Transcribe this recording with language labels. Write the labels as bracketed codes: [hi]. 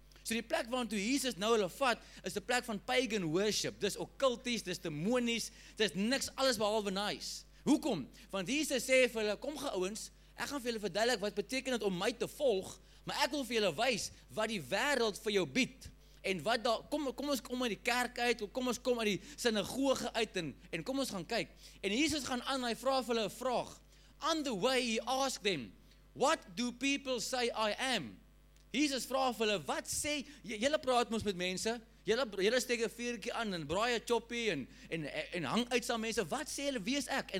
[af] So die plek waartoe Jesus nou hulle vat, is die plek van pagan worship. Dis okkulties, dis demonies, dis niks alles behalwe nice. Hoekom? Want Jesus sê vir hulle, kom geouens, ek gaan vir julle verduidelik wat beteken dit om my te volg, maar ek wil vir julle wys wat die wêreld vir jou bied. En wat daar, kom ons uit die kerk uit, kom ons kom uit die sinagoge uit en kom ons gaan kyk. En Jesus gaan aan, hy vra vir hulle 'n vraag. [en] On the way he asked them, "What do people say I am?" [af] Jesus vra vir hulle, wat sê, julle praat mos met mense, julle steek 'n vuurtjie aan en braai 'n choppie en hang uit saam mense, wat sê hulle, wie is ek?